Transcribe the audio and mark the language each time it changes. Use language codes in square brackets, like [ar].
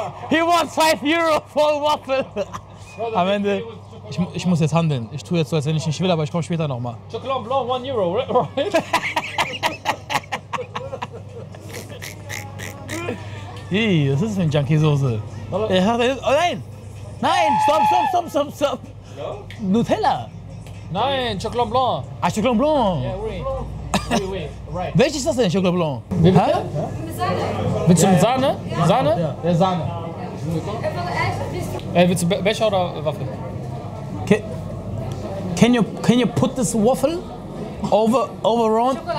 [en] He wants 5 Euro for a waffle. [de] Am Ende, ich muss jetzt handeln. Ich tue jetzt so, als wenn ich nicht will, aber ich komme später nochmal. [en] Chocolat Blanc, 1 Euro, right? [de] Ii, was ist das für eine Junkie-Soße? Oh nein! Nein! Stopp! Ja? Nutella! Nein, Chocolat Blanc! Ah, Chocolat Blanc! [en] Yeah, [fr] oui. [en] Right. [de] Welches ist das denn, Chocolat Blanc? Wie bitte? Mit Sahne. Willst du mit Sahne? Ja. Sahne? Ja, ja, Sahne. Ja. Ey, willst du Becher oder Waffel? [en] Can you put this waffle over round?